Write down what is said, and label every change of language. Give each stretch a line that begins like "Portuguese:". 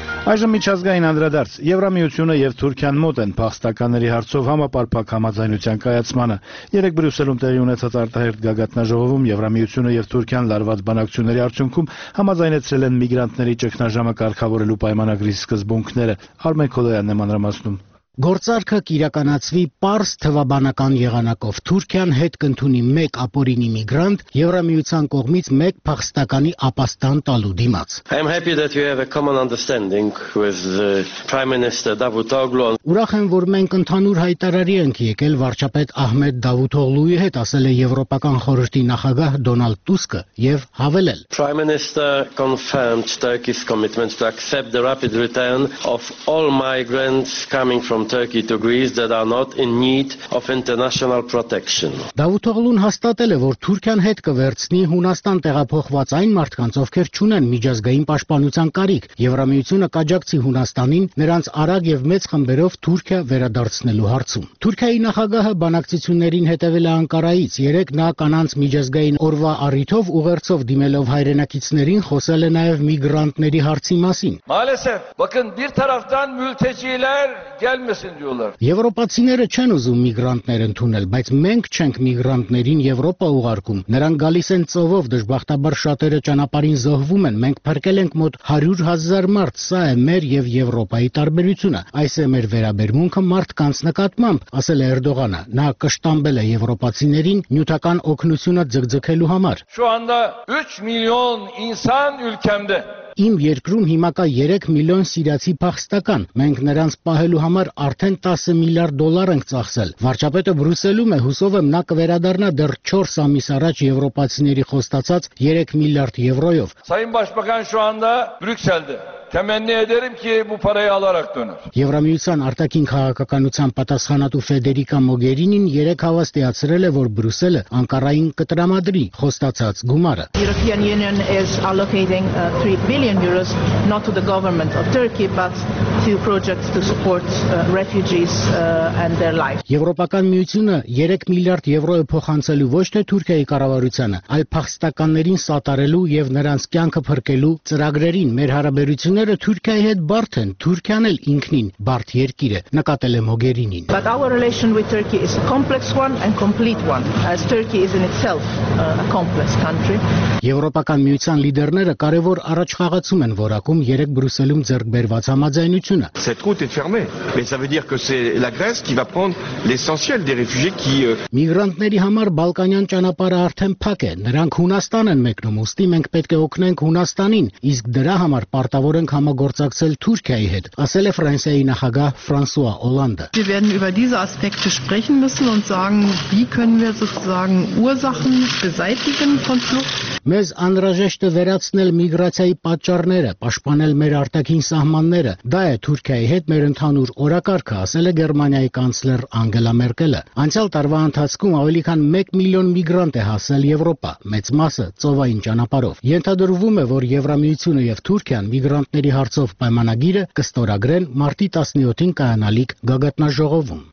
Armenian: Այժմ միջազգային անդրադարձ։ Եվրամիությունը և Թուրքիան մոտ են փախստականների հարցով համապարփակ համաձայնության կայացմանը։ Երեկ Բրյուսելում տեղի ունեցած արտահերթ գագաթնաժողովում Եվրամիությունը և Թուրքիան լարված բանակցությունների արդյունքում համաձայնեցրել են միգրանտների ճգնաժամը կարգավորելու պայմանագրի սկզբունքները։ Արմեն Քոլոյանն է մանրամասնում։ Գործարքը կիրականացվի պարս թվաբանական եղանակով, Թուրքիան հետ կնդունի մեկ ապորինի միգրանտ, Եվրամիության կողմից մեկ փախստականի ապաստան տալու դիմաց։
English: I'm happy that you have a common understanding with the Prime Minister Davutoglu.
Armenian: Ուրախ եմ, որ մենք ընդհանուր հայտարարի ենք եկել վարչապետ Ահմեդ Դավութոգլուի հետ, ասել է Եվրոպական խորհրդի նախագահ Դոնալդ Տուսկը, եւ հավելել.
English: Prime Minister confirmed Turkey's commitment to accept the rapid return of all migrants coming from Turkey to Greece that are not in need of international protection.
Armenian: Դավութոգլուն հաստատել է, որ Թուրքիան հետ կվերցնի Հունաստան տեղափոխված այն մարդկանց, ովքեր չունեն միջազգային պաշտպանության կարիք։ Եվրամիությունը կաջակցի Հունաստանին նրանց արագ եւ մեծ խմբերով Թուրքիա վերադարձնելու հարցում։ Թուրքիայի նախագահը բանակցություններին հետևել է Անկարայից, երեք նա կանանց միջազգային օրվա առիթով ուղերձով դիմելով հայրենակիցներին խոսել է նաեւ միգրանտների հարցի մասին։
Turkish: Maalesef, bakın bir taraftan mülteciler gelmesin diyorlar.
Armenian: Եվրոպացիները չեն ուզում միգրանտներ ընդունել, բայց մենք չենք միգրանտներին Եվրոպա ուղարկում։ Նրանք գալիս են ծովով, դժբախտաբար շատերը ճանապարհին զոհվում են։ Մենք փրկել ենք մոտ 100 000 մարդ, սա է մեր եւ Եվրոպայի տարբերությունը։ Այս է մեր վերաբերմունքը մարդկանց նկատմամբ, ասել է Էրդողանը։ Նա կշտամբել է եվրոպացիներին նյութական օգնությունը ձգձգելու համար։
Turkish: Şu anda 3 milyon insan ülkemde.
Armenian: Իմ երկրում հիմա կա 3 միլիոն սիրացի փախստական։ Մենք նրանց պահելու համար արդեն 10 միլիարդ դոլար ենք ծախսել։ Վարչապետը Բրյուսելում է, հուսով եմ, նա կվերադառնա դեռ 4 ամիս առաջ եվրոպացիների խոստացած 3 միլիարդ եվրոյով։
Turkish: Սայն պաշտպան շու անդա Բրյուսելդե։ Temenni ederim ki bu parayı alarak döner.
Armenian: Եվրամիության արտաքին քաղաքականության պատասխանատու Ֆեդերիկա Մոգերինին 3 հավաստ տեղացրել է, որ Բրյուսելը Անկարային կտրամադրի խոստացած գումարը։
English: European Union is allocating 3 billion euros not to the government of Turkey but to projects to support refugees and their lives.
Armenian: Եվրոպական միությունը 3 միլիարդ եվրոյը փոխանցելու ոչ թե Թուրքիայի կառավարությանը, այլ փախստականներին սատարելու եւ նրանց կյանքը փրկելու ծրագրերին։ Մեր հարաբերությունը Ցիները Թուրքիայի հետ բարդ են, Թուրքիան էլ ինքնին բարդ երկիր է, նկատել է Մոգերինին։
English: But our relation with Turkey is a complex one and complete one, as Turkey is in itself a complex country.
Armenian: Եվրոպական միության լիդերները կարևոր առաջխաղացում են որակում երեք Բրյուսելում ձեռքբերված համաձայնությունը։
French: Cette route est fermée, mais ça veut dire que c'est la Grèce qui va prendre l'essentiel des réfugiés qui
Armenian: Միգրանտների համար Բալկանյան ճանապարհը արդեն փակ է, նրանք Հունաստան են մեկնում, ուստի մենք պետք է օգնենք Հունաստանին, իսկ դրա համար որ ենք համագործակցել Թուրքիայի հետ, ասել է Ֆրանսիայի նախագահ Ֆրանսուա Օլանդը։
German: Wir werden über diese Aspekte sprechen müssen und sagen, wie können wir sozusagen Ursachen beseitigen von Flucht.
Armenian: Մեզ անհրաժեշտ է վերացնել միգրացիայի պատճառները, պաշտպանել մեր արտաքին սահմանները։ Դա է Թուրքիայի հետ մեր ընդհանուր օրակարգը, ասել է Գերմանիայի կանցլեր Անգելա Մերկելը։ Անցյալ տարվա ընթացքում ավելի քան 1 միլիոն միգրանտ է հասել Եվրոպա, մեծ մասը ծովային ճանապարհով։ Ենթադրվում է, որ Եվրամիությունը եւ Թուրքիան միգրանտների հարցով պայմանագիրը կստորագրեն մարտի 17-ին կայանալիք գագաթնաժողովում։